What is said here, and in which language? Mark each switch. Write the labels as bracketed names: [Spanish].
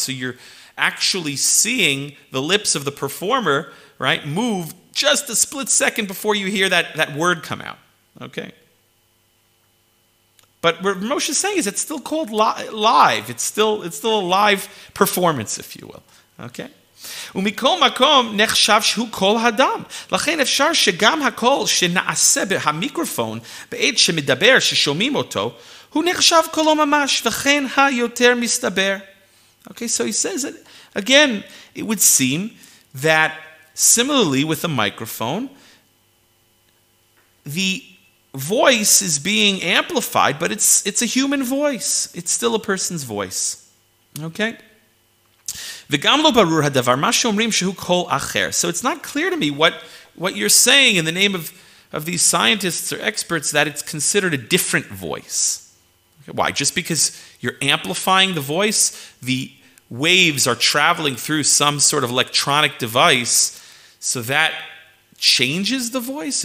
[English] So you're actually seeing the lips of the performer, right, move just a split second before you hear that word come out. Okay. But what Moshe is saying is it's still called live. It's still a live performance, if you will. Okay. [Hebrew] ומכל מקום נחשב שהוא קול הדם. לכן אפשר שגם הקול שנעשה במיקרופון בעת שמדבר ששומעים אותו, הוא נחשב קולו ממש, וכן היותר מסתבר. [English] Okay, so he says that, again, it would seem that similarly with a microphone, the voice is being amplified, but it's a human voice. It's still a person's voice. Okay? [Hebrew] וגם לא ברור הדבר, מה שאומרים שהוא קול אחר. [English] So it's not clear to me what you're saying in the name of these scientists or experts that it's considered a different voice. Okay, why? Just because you're amplifying the voice, the waves are traveling through some sort of electronic device, so that changes the voice.